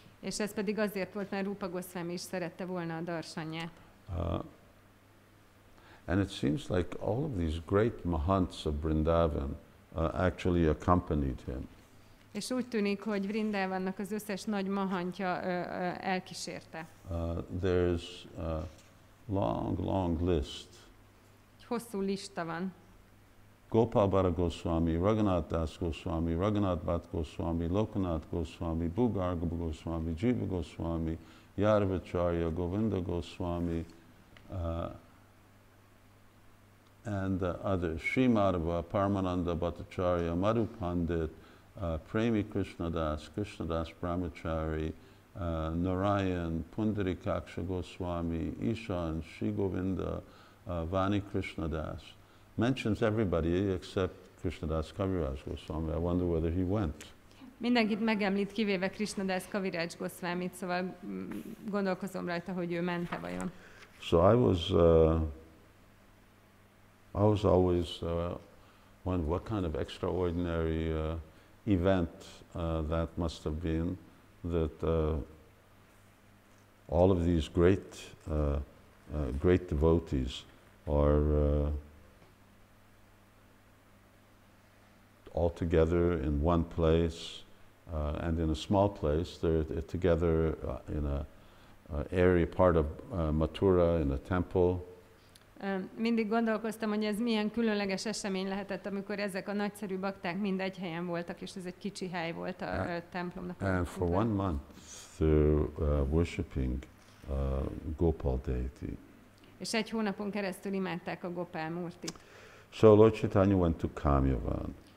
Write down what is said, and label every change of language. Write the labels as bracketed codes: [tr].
[hu] És ez pedig azért volt, mert Rupa Goswami is szerette volna a darshanját. [en] And it seems like all of these great mahants of Vṛndāvan actually accompanied him. [hu] És úgy tűnik, hogy Vṛndāvannak az összes nagy mahantja elkísérte. [en] There's a long list. [hu] Hosszú lista van. [en] Gopal Bhatta Goswami, Raghunath Das Goswami, Raghunath Bhatta Goswami, Lokanath Goswami, Bhugarga Goswami, Jiva Goswami, Yadavacharya, Govinda Goswami, and others. Sri Madhava, Paramananda Bhattacharya, Madhu Pandit, Premi Krishnadas, Krishnadas Brahmachari, Narayan, Pundarikaksha Goswami, Ishan, Sri Govinda, Vani Krishnadas. Mentions everybody except Krishnadas Kaviraj Goswami. I wonder whether he went. [hu] Mindenkit megemlít, kivéve Krishnadas Kaviraj Goswamit, szóval gondolkozom rajta, hogy ő ment-e vajon. [en] So I was always wondering what kind of extraordinary event that must have been, that all of these great great devotees are all together in one place, and in a small place, they're together in a airy part of Mathura in a temple. [hu] Mindig gondolkoztam, hogy ez milyen különleges esemény lehetett, amikor ezek a nagyszerű bakták mind egy helyen voltak, és ez egy kicsi hely volt a templomnak. [en] And for one month, they're worshiping Gopal deity. [hu] És egy hónapon keresztül imádták a Gopal Murtit. [en] So Lord Caitanya went to Kamyavan.